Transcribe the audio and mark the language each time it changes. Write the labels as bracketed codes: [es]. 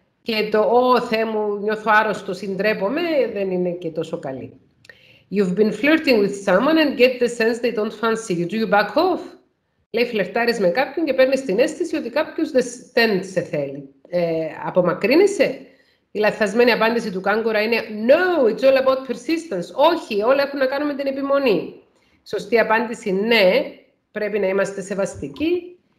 [el] Και το «Ω, Θεέ μου, νιώθω άρρωστο, συντρέπομαι» δεν είναι και τόσο καλή. [en] «You've been flirting with someone and get the sense they don't fancy you. Do you back off?» [el] Λέει, φλερτάρεις με κάποιον και παίρνεις την αίσθηση ότι κάποιος δεν σε θέλει. Απομακρύνεσαι? Η λαθασμένη απάντηση του κάγκουρα είναι [en] «No, it's all about persistence». [el] Όχι, όλα έχουν να κάνουν με την επιμονή. Σωστή απάντηση, ναι, πρέπει να είμαστε σεβαστικοί.